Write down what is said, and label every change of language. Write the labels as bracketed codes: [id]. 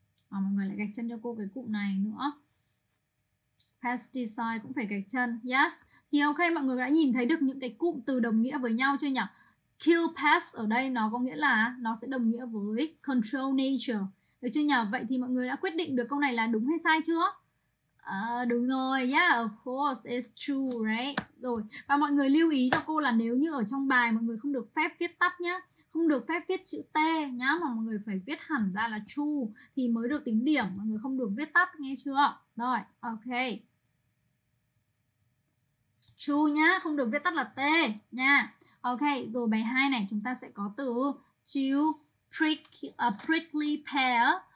[vi] Mọi người lại gạch chân cho cô cái cụm này nữa. Pesticide cũng phải gạch chân. Yes. Thì ok, mọi người đã nhìn thấy được những cái cụm từ đồng nghĩa với nhau chưa nhỉ? Kill pest ở đây nó có nghĩa là nó sẽ đồng nghĩa với control nature. Được chưa nhỉ? Vậy thì mọi người đã quyết định được câu này là đúng hay sai chưa? Đúng rồi, [en] yeah, of course, it's true, right? [vi] Rồi, và mọi người lưu ý cho cô là nếu như ở trong bài mọi người không được phép viết tắt nhá, không được phép viết chữ T nhá, mà mọi người phải viết hẳn ra là true thì mới được tính điểm, mọi người không được viết tắt, nghe chưa? Rồi, ok. True nhá, không được viết tắt là T nha. Ok, rồi bài 2 này chúng ta sẽ có từ to prickly pear.